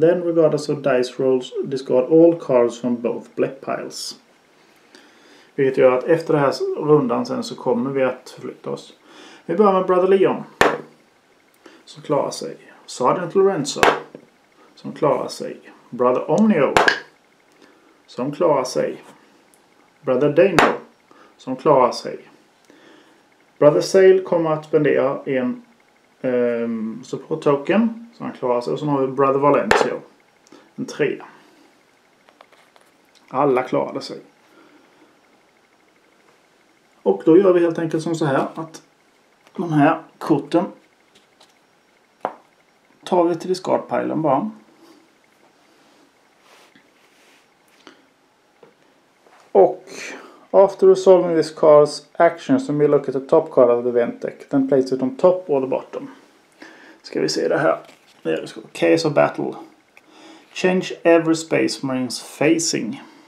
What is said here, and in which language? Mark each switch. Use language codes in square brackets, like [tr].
[en] Then, regardless of dice rolls, discard all cards from both black piles. [sv] Vilket gör att efter den här rundan sen så kommer vi att flytta oss. Vi börjar med Brother Leon. Som klarar sig. Sergeant Lorenzo. Som klarar sig. Brother Omnio. Som klarar sig. Brother Dano. Som klarar sig. Brother Sale kommer att spendera en support token som han klarar sig, och så har vi Brother Valencio, en 3. Alla klarade sig. Och då gör vi helt enkelt som så här att de här korten tar vi till discardpilen bara. [en] Och after resolving this card's action, so we look at the top card of the event deck, then place it on top or the bottom. [sv] Ska vi se det här. [en] Case of battle. Change every space marine's facing.